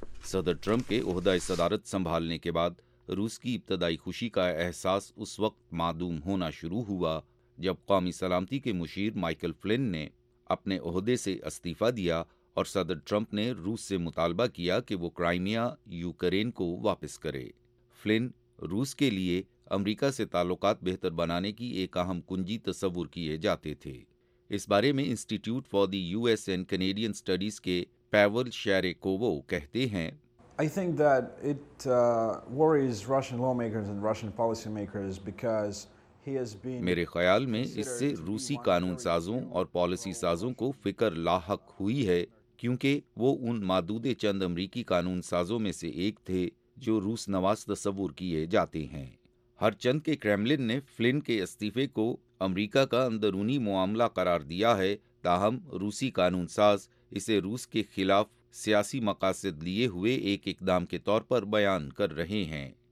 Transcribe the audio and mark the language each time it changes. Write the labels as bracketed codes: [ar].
[ur] صدر ٹرمپ کے عہدہ صدارت سنبھالنے کے بعد روس کی ابتدائی خوشی کا احساس اس وقت معدوم ہونا شروع ہوا جب قومی سلامتی کے مشیر مائیکل فلن نے اپنے عہدے سے استعفیٰ دیا اور صدر ٹرمپ نے روس سے مطالبہ کیا کہ وہ کرائمیا یوکرین کو واپس کرے۔ فلن روس کے لیے امریکہ سے تعلقات بہتر بنانے کی ایک اہم کنجی تصور کیے جاتے تھے۔ اس بارے میں institute for the U S and Canadian studies کے پیول شیریکوو کہتے ہیں، [en] I think that it worries Russian lawmakers and Russian policy makers because [ur] میرے خیال میں اس سے روسی قانون سازوں اور پالیسی سازوں کو فکر لاحق ہوئی ہے، کیونکہ وہ ان مادود چند امریکی قانون سازوں میں سے ایک تھے جو روس نواز تصور کیے جاتے ہیں۔ ہر چند کے کریملن نے فلن کے استعفے کو امریکہ کا اندرونی معاملہ قرار دیا ہے، تاہم روسی قانون ساز اسے روس کے خلاف سیاسی مقاصد لیے ہوئے ایک اقدام کے طور پر بیان کر رہے ہیں۔